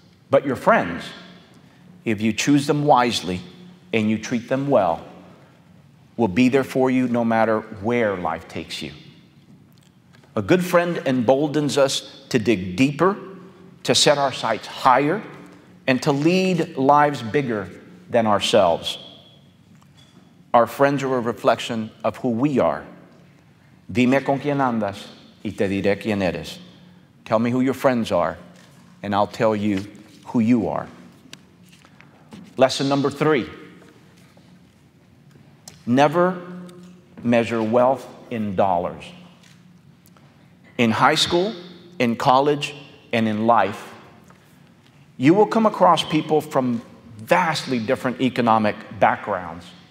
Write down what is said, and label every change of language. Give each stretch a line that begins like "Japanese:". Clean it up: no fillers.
English: But your friends, if you choose them wisely and you treat them well, will be there for you no matter where life takes you. A good friend emboldens us to dig deeper, to set our sights higher, and to lead lives bigger than ourselves. Our friends are a reflection of who we are.
Spanish: Dime con quién andas y te diré quién eres.
English: Tell me who your friends are, and I'll tell you who you are. Lesson number three, never measure wealth in dollars. In high school, in college, and in life, you will come across people from vastly different economic backgrounds.